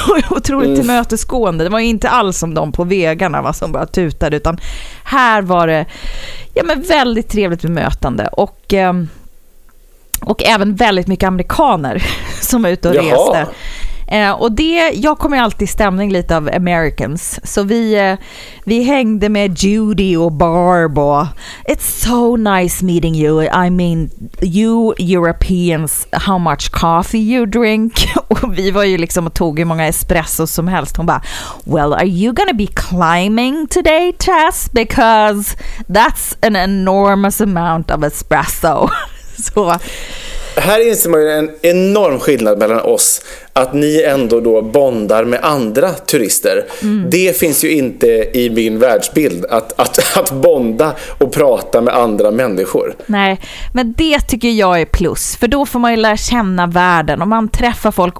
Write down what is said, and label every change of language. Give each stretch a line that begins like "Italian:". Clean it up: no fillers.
Swedish: Otroligt tillmötesgående. Det var ju inte alls som de på vägarna, va, som bara tutade, utan här var det, ja men väldigt trevligt bemötande. Och även väldigt mycket amerikaner som var ute och reste. Och det, jag kommer ju alltid i stämning lite av Americans. Så vi hängde med Judy och Barb. Och,
English: it's so nice meeting you. I mean, you Europeans, how much coffee you drink?
Swedish: Och vi var ju liksom och tog hur många espresso som helst. Hon bara,
English: well, are you gonna be climbing today, Tess? Because that's an enormous amount of espresso.
Swedish: Så... Här inser man ju en enorm skillnad mellan oss, att ni ändå då bondar med andra turister. Mm. Det finns ju inte i min världsbild att bonda och prata med andra människor. Nej, men det tycker jag är plus. För då får man ju lära känna världen och man träffar folk.